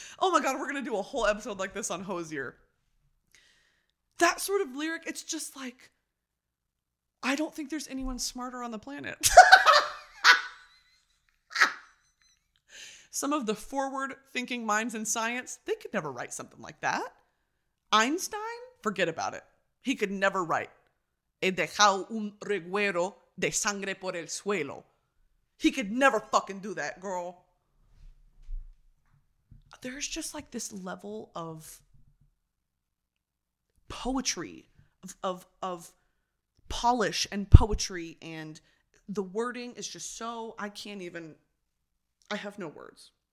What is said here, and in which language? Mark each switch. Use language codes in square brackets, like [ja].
[en] Oh my God, we're gonna do a whole episode like this on Hozier. That sort of lyric, it's just like, I don't think there's anyone smarter on the planet. Some of the forward-thinking minds in science, they could never write something like that. Einstein? Forget about it. He could never write. [es] He dejado un reguero de sangre por el suelo. [en] He could never fucking do that, girl. There's just like this level of poetry, of polish and poetry, and the wording is just so, I have no words.